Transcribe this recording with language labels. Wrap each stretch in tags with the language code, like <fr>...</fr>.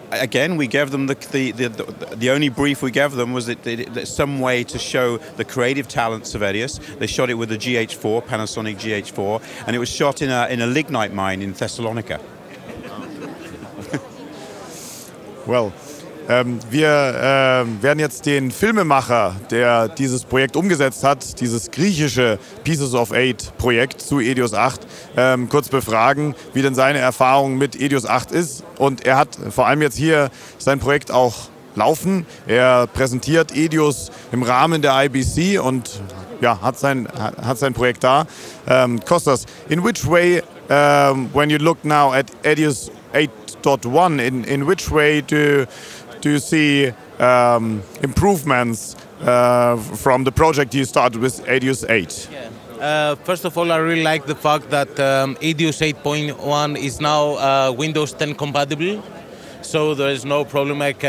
<en>Again, we gave them the only brief we gave them was that some way to show the creative talents of Edius. They shot it with a GH4, Panasonic GH4, and it was shot in a lignite mine in Thessalonica.</en> <de>Well, werden jetzt den Filmemacher, der dieses Projekt umgesetzt hat, dieses griechische Pieces of 8 Projekt zu Edius 8, kurz befragen, wie denn seine Erfahrung mit Edius 8 ist. Und er hat vor allem jetzt hier sein Projekt auch laufen. Er präsentiert Edius im Rahmen der IBC und ja, hat sein Projekt da.</de> <en>Kostas, in which way, when you look now at Edius 8.1, in which way do you see improvements from the project you started with Edius 8? Yeah. First of all, I really like the fact that Edius 8.1 is now Windows 10 compatible, so there is no problem.</en>